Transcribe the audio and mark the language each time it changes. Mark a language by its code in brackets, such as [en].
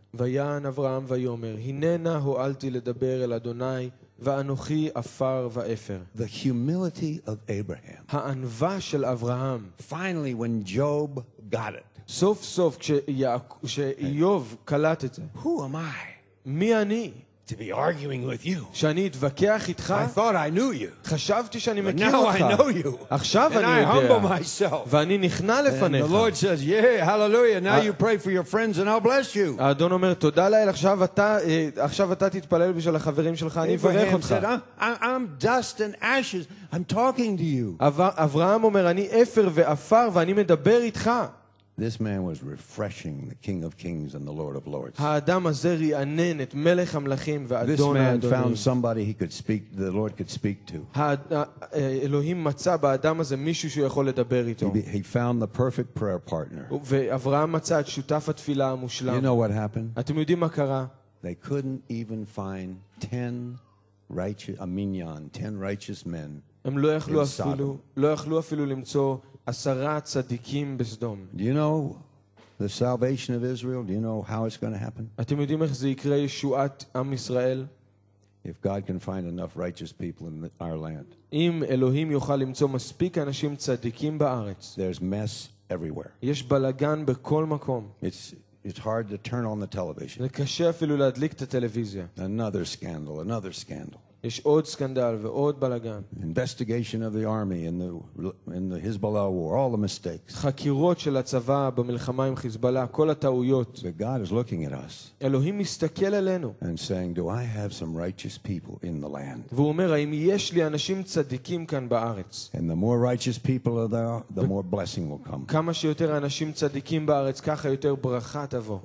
[he] ויען אברהם ויאמר, הננה הועלתי לדבר אל אדוני, ואנוכי עפר ואפר. [en] The humility of Abraham. [he] הענווה של אברהם. [en] Finally, when Job got it. [he] סוף סוף כשאיוב קלט את זה. [en] Who am I? [he] מי אני? [en] To be arguing with you. [he] שאני אתווכח איתך? [en] I thought I knew you. [he] חשבתי שאני מכיר אותך. [en] But now I know you. [he] עכשיו אני [en] יודע. And I humble myself. [he] ואני נכנע לפניך. [en] And the Lord says, yeah, hallelujah. Now you pray for your friends and I'll bless you. [he] האדון אומר, תודה לאל, עכשיו אתה תתפלל בשביל החברים שלך, אני אברך אותך. [en] I'm dust and ashes. I'm talking to you. [he] אברהם אומר, אני אפר ואפר ואני מדבר איתך. [en] This man was refreshing the King of Kings and the Lord of Lords. [he] האדם הזה רענן את מלך המלכים ואדון האדונים. [en] This man found somebody he could speak, the Lord could speak to. [he] אלוהים מצא באדם הזה מישהו שיכול לדבר איתו. [en] He found the perfect prayer partner. [he] ואברהם מצא את שותף התפילה המושלם. [en] You know what happened? [he] אתם יודעים מה קרה? [en] They couldn't even find 10 righteous, a minyan, 10 righteous men. [he] הם לא יכלו אפילו למצוא 10 צדיקים בסדום. [en] Do you know the salvation of Israel? Do you know how it's going to happen? [he] אתם יודעים איך זה יקרה, ישועת עם ישראל? [en] If God can find enough righteous people in our land. [he] אם אלוהים יוכל למצוא מספיק אנשים צדיקים בארץ. [en] There's mess everywhere. [he] יש בלגן בכל מקום. [en] It's hard to turn on the television. [he] זה קשה אפילו להדליק את הטלוויזיה. [en] Another scandal. [he] יש עוד סקנדל ועוד בלגן. [en] Investigation of the army in the Hezbollah war, all the mistakes. [he] חקירות של הצבא במלחמה עם חיזבאללה, כל הטעויות. [en] But God is looking at us. [he] אלוהים מסתכל עלינו. [en] And saying, "Do I have some righteous people in the land?" [he] והוא אומר, האם יש לי אנשים צדיקים כאן בארץ? [en] And the more righteous people are there, the more blessing will come. [he] כמה שיותר אנשים צדיקים בארץ, ככה יותר ברכה תבוא.